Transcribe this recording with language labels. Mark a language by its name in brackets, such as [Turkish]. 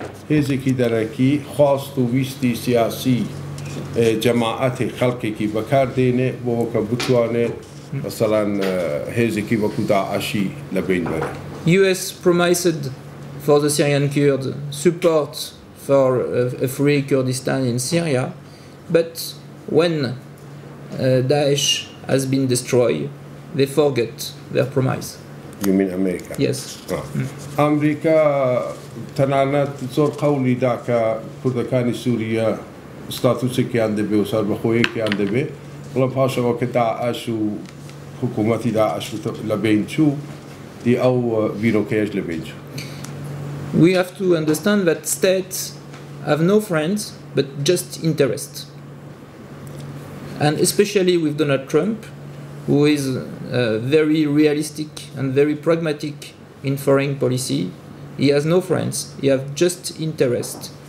[Central Kurdish] هێزێکی دەرەکی خواست و ویستی سیاسی جەماعەتی خەڵکێکی بەکاردێنێ بۆ کە بتوانێ مەسەڵەن هێزێکی وەکو داعشی لە بین بەرێ. [English] US promised for the Syrian Kurds support for a free Kurdistan in Syria, but when Daesh has been destroyed, they forget their promise. You mean America? Yes. [Central Kurdish] America تەنانەت زۆر قەولی دا کە کوردەکانی سوریا ستاتوسێکیان دەبێ و سەربەخۆیەکیان دەبێ، بەڵام پاشەوە کە داعش و حکوومەتی داعش لە بین چوو دی ئەو بیرۆکەیەش لە بین چوو. [English] We have to understand that states have no friends but just interests. And especially with Donald Trump, who is very realistic and very pragmatic in foreign policy, he has no friends, he has just interests.